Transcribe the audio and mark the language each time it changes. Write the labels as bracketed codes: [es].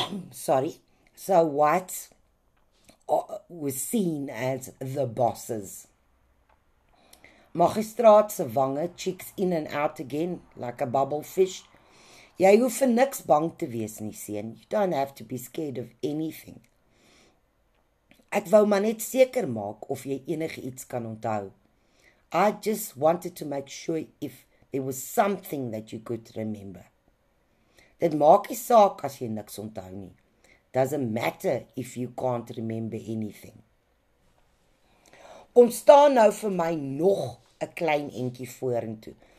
[en] Sorry. So whites were seen as the bosses. [af] Magistraat se wange [en] cheeks in and out again, like a bubble fish. [af] Jy hoef vir niks bang te wees nie, seun. [en] You don't have to be scared of anything. [af] Ek wou maar net seker maak of jy enige iets kan onthou. [en] I just wanted to make sure if there was something that you could remember. [af] Dit maak nie saak as jy niks onthou nie. [en] Doesn't matter if you can't remember anything. [af] Kom staan nou vir my nog 'n klein entjie vorentoe.